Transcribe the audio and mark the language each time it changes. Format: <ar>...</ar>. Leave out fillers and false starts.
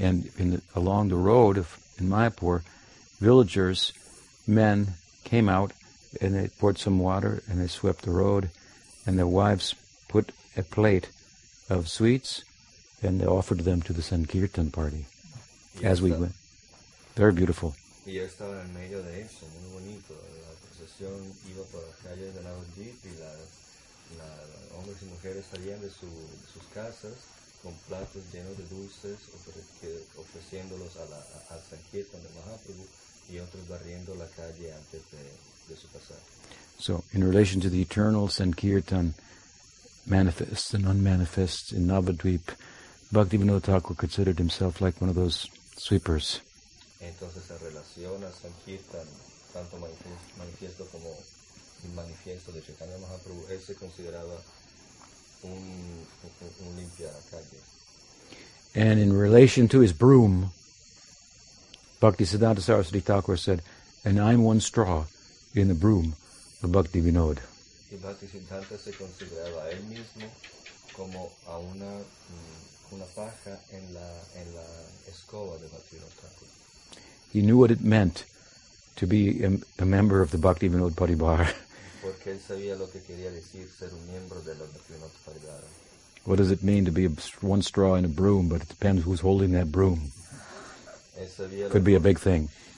<en>And along the road in Mayapur, villagers, men came out, and they poured some water, and they swept the road, and their wives put a plate of sweets, and they offered them to the Sankirtan party.</en> <es>Y</es> <en>as we went, very beautiful.</en> <es>Y estaba en medio de eso, muy bonito. Iba por las calles de Navadvip y los hombres y mujeres salían de sus casas con platos llenos de dulces ofreciéndolos a Sankirtan de Mahaprabhu y otros barriendo la calle antes de su pasar.</es> <en>So, in relation to the eternal Sankirtan manifest and unmanifest in Navadvip, Bhaktivinoda Thakur considered himself like one of those sweepers.</en> <es>Entonces, en relación a Sankirtan, tanto manifiesto como inmanifiesto de Chaitanya Mahaprabhu, él se consideraba un limpia calle.</es> <en>And in relation to his broom, Bhaktisiddhanta Saraswati Thakur said, and I'm one straw in the broom of Bhaktivinoda.</en> <es>y Bhaktisiddhanta se consideraba a él mismo como a una una paja en la escoba de Bhaktivinoda Thakur.</es> <en>He knew what it meant to be a member of the Bhaktivinoda Paribara.</en> <es>Porque él sabía lo que quería decir ser un miembro de la Bhaktivinoda Paribara.</es> <en>What does it mean to be one straw in a broom, but it depends who's holding that broom? Could be a big thing.</en>